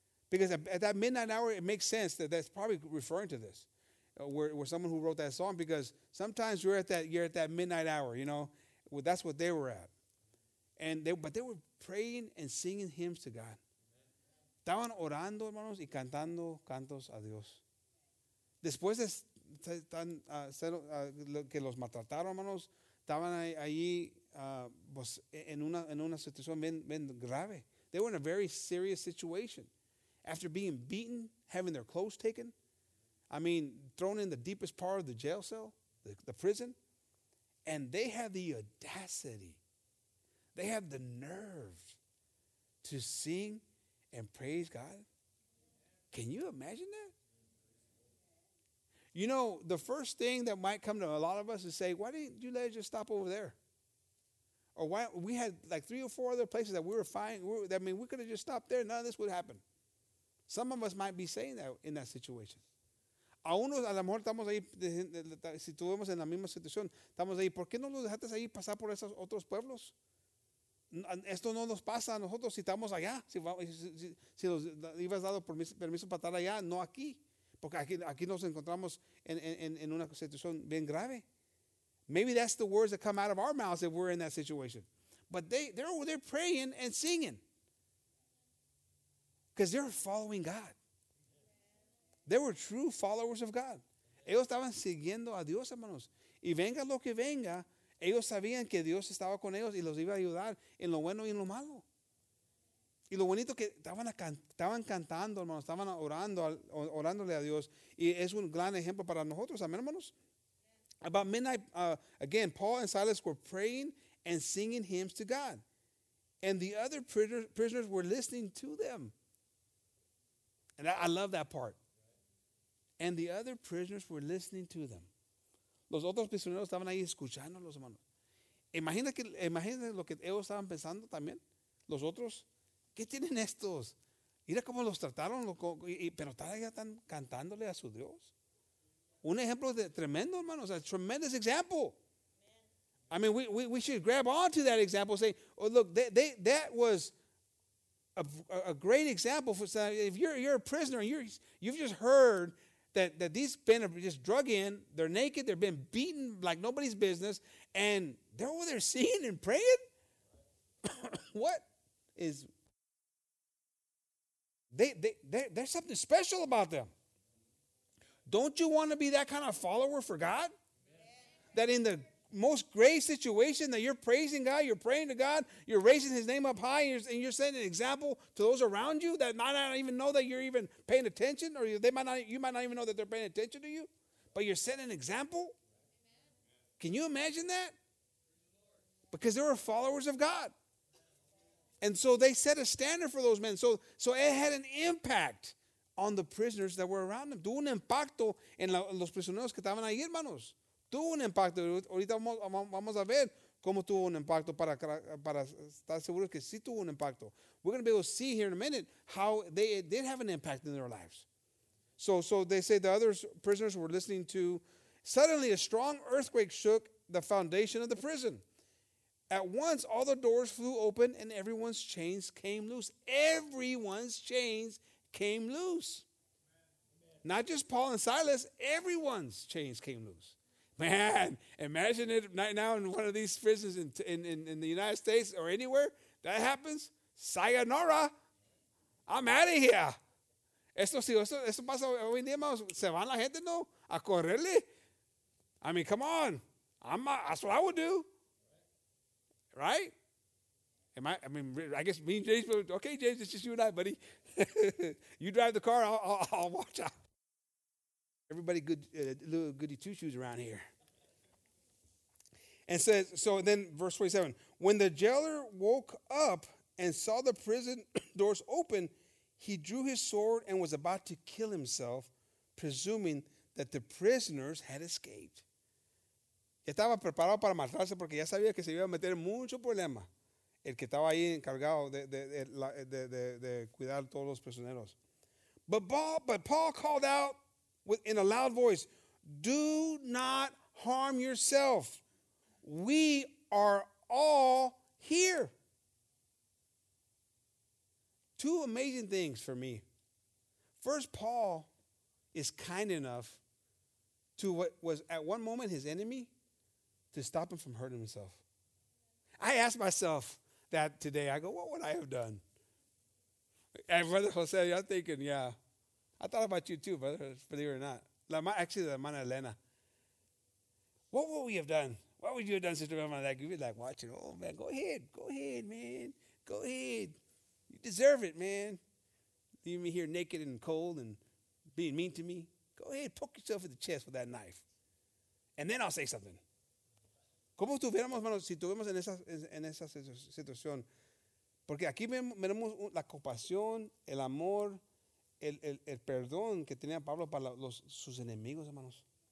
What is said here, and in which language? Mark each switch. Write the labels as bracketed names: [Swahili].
[English] Because at that midnight hour, it makes sense that that's probably referring to this, where someone who wrote that song, because sometimes you're at that midnight hour, you know, well, that's what they were at. But they were praying and singing hymns to God. [Spanish] Estaban orando, hermanos, y cantando cantos a Dios. Después de que los maltrataron, hermanos, estaban ahí en una situación bien grave. [English] They were in a very serious situation. After being beaten, having their clothes taken, I mean, thrown in the deepest part of the jail cell, the prison, and they had the audacity, they had the nerve to sing and praise God. Can you imagine that? You know, the first thing that might come to a lot of us is say, why didn't you let us just stop over there? Or why, we had like three or four other places that we were fine. We could have just stopped there. None of this would happen. Some of us might be saying that in that situation. [Spanish] A unos, a lo mejor estamos ahí, si estuvimos en la misma situación, estamos ahí, ¿por qué no los dejaste ahí pasar por esos otros pueblos? Esto no nos pasa a nosotros si estamos allá. Si los ibas dado permiso para estar allá, no aquí. Porque aquí nos encontramos en una situación bien grave. [English] Maybe that's the words that come out of our mouths if we're in that situation. But they're over there praying and singing. Because they're following God. They were true followers of God. [Spanish] Ellos estaban siguiendo a Dios, hermanos. Y venga lo que venga, ellos sabían que Dios estaba con ellos y los iba a ayudar en lo bueno y en lo malo. Y lo bonito que estaban cantando, hermanos, estaban orándole a Dios. Y es un gran ejemplo para nosotros, amén, hermanos. [English] About midnight, again, Paul and Silas were praying and singing hymns to God. And the other prisoners were listening to them. And I love that part. And the other prisoners were listening to them. [Spanish] Los otros prisioneros estaban ahí escuchándolos, hermanos. Imagina lo que ellos estaban pensando también. Los otros, ¿qué tienen estos? Mira cómo los trataron, pero todavía están cantándole a su Dios. Un ejemplo de tremendo, hermanos, [English] a tremendous example. Amen. I mean, we should grab on to that example, say, oh, look, they that was a great example. For, if you're a prisoner and you've just heard that these men are just drug in, they're naked, they've been beaten like nobody's business, and they're over there singing and praying. What is there's something special about them. Don't you want to be that kind of follower for God? Amen. That in the most grave situation that you're praising God, you're praying to God, you're raising his name up high, and you're setting an example to those around you that might not even know that you're even paying attention, or you might not even know that they're paying attention to you, but you're setting an example? Amen. Can you imagine that? Because they were followers of God. And so they set a standard for those men. So it had an impact on the prisoners that were around them. [Spanish] Tuvo un impacto en los prisioneros que estaban ahí, hermanos. Tuvo un impacto. Ahorita vamos a ver cómo tuvo un impacto para estar seguros que sí tuvo un impacto. [English] We're going to be able to see here in a minute how they did have an impact in their lives. So they say the other prisoners were listening to. Suddenly a strong earthquake shook the foundation of the prison. At once all the doors flew open and everyone's chains came loose. Everyone's chains came loose. Amen. Not just Paul and Silas, everyone's chains came loose. Man, imagine it right now in one of these prisons in the United States or anywhere that happens. Sayonara. I'm out of here. [Spanish] Eso sí, eso pasa hoy en día, hermanos. Se van la gente, ¿no? A correrle. [English] I mean, come on. That's what I would do. Right? I guess me and James, okay, James, it's just you and I, buddy. You drive the car, I'll watch out. Everybody good, little goody two-shoes around here. And says, so then verse 27, when the jailer woke up and saw the prison doors open, he drew his sword and was about to kill himself, presuming that the prisoners had escaped. [Spanish] Estaba preparado para matarse porque ya sabía que se iba a meter mucho problema. El que estaba ahí encargado de cuidar todos los prisioneros. [English] But Paul called out in a loud voice, "Do not harm yourself. We are all here." Two amazing things for me. First, Paul is kind enough to what was at one moment his enemy to stop him from hurting himself. I asked myself that today. I go, what would I have done? And Brother Jose, I'm thinking, yeah. I thought about you too, brother, believe it or not. Actually, the man Elena. What would we have done? What would you have done, sister? Like, you'd be like, watching. Oh, man, go ahead, man. Go ahead. You deserve it, man. Leave me here naked and cold and being mean to me. Go ahead, poke yourself in the chest with that knife. And then I'll say something. [Spanish] ¿Cómo estuviéramos, hermanos, si estuviéramos en esa situación? Porque aquí vemos la compasión, el amor, el perdón que tenía Pablo para sus enemigos, hermanos.